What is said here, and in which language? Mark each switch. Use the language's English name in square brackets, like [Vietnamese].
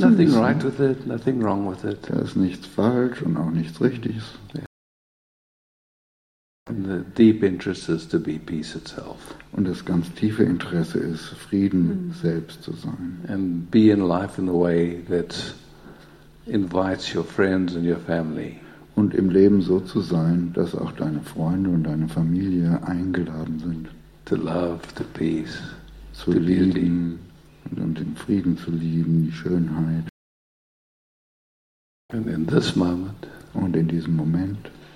[English] Nothing right with it, nothing wrong with it. [German] Da ist nichts falsch und auch nichts Richtiges. [English] And the deep interest is to be peace itself. [German] Und das ganz tiefe Interesse ist, Frieden selbst zu sein. [English] And be in life in a way that invites your friends and your family. [German] Und im Leben so zu sein, dass auch deine Freunde und deine Familie eingeladen sind. [English] To love, to peace, [German] zu lieben und den Frieden zu lieben, die Schönheit. [English] And in this moment. [German] Und in diesem Moment.